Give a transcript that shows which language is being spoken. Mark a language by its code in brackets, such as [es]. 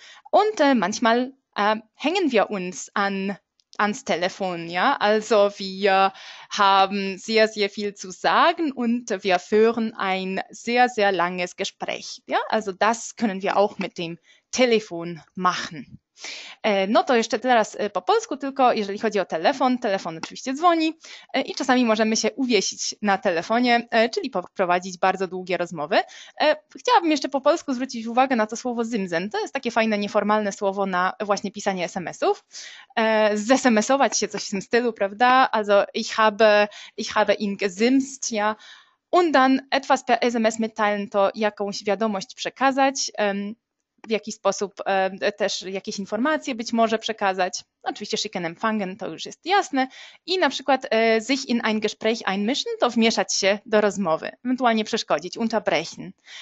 [de] Und manchmal hängen wir uns ans Telefon, ja. Also wir haben sehr, sehr viel zu sagen und wir führen ein sehr, sehr langes Gespräch, ja. Also das können wir auch mit dem Telefon machen. [pl] No to jeszcze teraz po polsku tylko, jeżeli chodzi o telefon. Telefon oczywiście dzwoni i czasami możemy się uwiesić na telefonie, czyli prowadzić bardzo długie rozmowy. Chciałabym jeszcze po polsku zwrócić uwagę na to słowo zimsen. To jest takie fajne, nieformalne słowo na właśnie pisanie SMS-ów. Zesmsować się coś w tym stylu, prawda? [de] Also ich habe ihn gesimst, ja. Und dann etwas per SMS mitteilen, [pl] to jakąś wiadomość przekazać. W jakiś sposób też jakieś informacje być może przekazać. Oczywiście [de] schicken, empfangen, [pl] to już jest jasne. I na przykład [de] sich in ein Gespräch einmischen, [pl] to wmieszać się do rozmowy, ewentualnie przeszkodzić, unterbrechen.